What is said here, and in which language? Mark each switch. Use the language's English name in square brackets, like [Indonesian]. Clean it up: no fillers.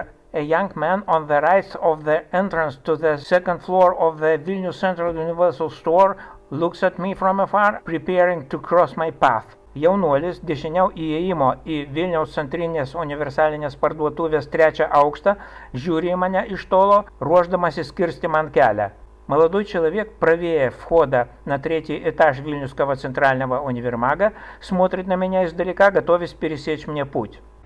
[English] A young man on the right of the entrance to the second floor of the Vilnius Central Universal Store looks at me from afar, preparing to cross my path. [Lithuanian] Jaunuolis dešiniau įėjimo į Vilniaus centrinės universalinės parduotuvės trečią aukštą žiūri mane iš tolo, ruošdamasis kirsti man kelią. [Russian] Молодой человек, правее входа на третий этаж Вильнюсского центрального универмага, смотрит на меня издалека, готовясь пересечь мне путь.